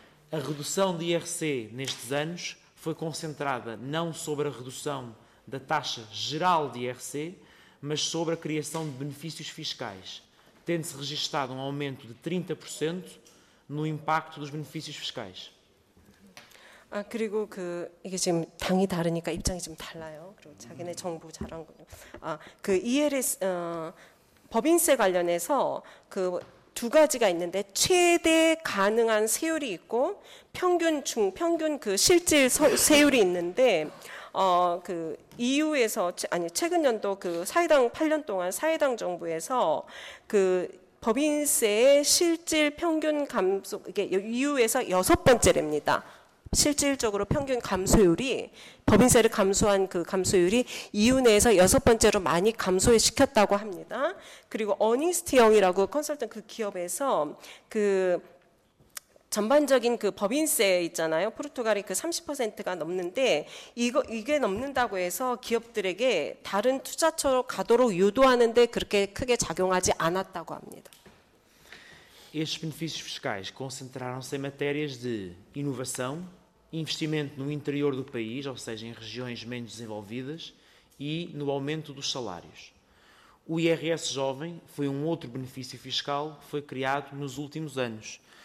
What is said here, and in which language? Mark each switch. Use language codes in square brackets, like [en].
[pt] A redução de IRC nestes anos foi concentrada não sobre a redução da taxa geral de IRC, mas sobre a criação de benefícios fiscais, tendo-se registado um aumento de 30%, no impacto dos benefícios fiscais. [ko] 아 그리고 그 이게 지금 당이 다르니까 입장이 좀 달라요. 그리고 자기네 정부 잘한 거요. 아 그 ELS 법인세 관련해서 그 두 가지가 있는데 최대 가능한 세율이 있고 평균 중 평균 그 실질 세율이 있는데 그 EU에서 아니 최근 연도 그 사회당 8년 동안 사회당 정부에서 그 법인세의 실질 평균 감소, 이게 EU에서 6번째랍니다. 실질적으로 평균 감소율이, 법인세를 감소한 그 감소율이 EU 내에서 6번째로 많이 감소시켰다고 합니다. 그리고 어닝스티형이라고 컨설턴트 그 기업에서 그 전반적인 그 법인세 있잖아요. 포르투갈이 그 30%가 넘는데 이게 넘는다고 해서 기업들에게 다른 투자처로 가도록 유도하는 데 그렇게 크게 작용하지 않았다고 합니다. [pt] Estes benefícios fiscais concentraram-se em matérias de inovação, investimento no interior do país, ou seja, em regiões menos desenvolvidas, e no aumento dos salários. O IRS jovem foi um outro benefício fiscal que foi criado nos últimos anos.